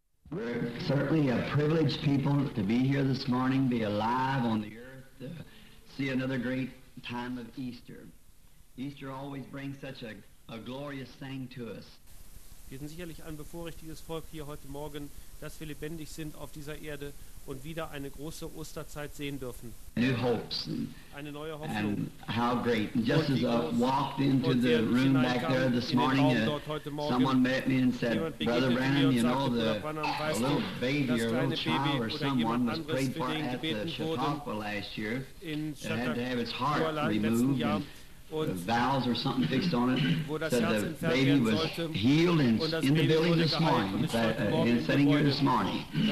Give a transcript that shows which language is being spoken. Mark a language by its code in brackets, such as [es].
[en] We're certainly a privileged people to be here this morning, be alive on the earth, to see another great time of Easter. Easter always brings such a glorious thing to us. [de] Wir sind sicherlich ein bevorrechtiges Volk hier heute Morgen, dass wir lebendig sind auf dieser Erde und wieder eine große Osterzeit sehen dürfen. [en] New hopes and, [de] eine neue Hoffnung. [en] And how great. Just as I walked into the room back there this morning, someone met me and said, Brother Branham, you know, the little baby or little child or someone was prayed for at the Chautauqua last year. It had to have its heart removed. The valves or something fixed on it, so the baby was healed and in the building this morning, in sitting here this morning.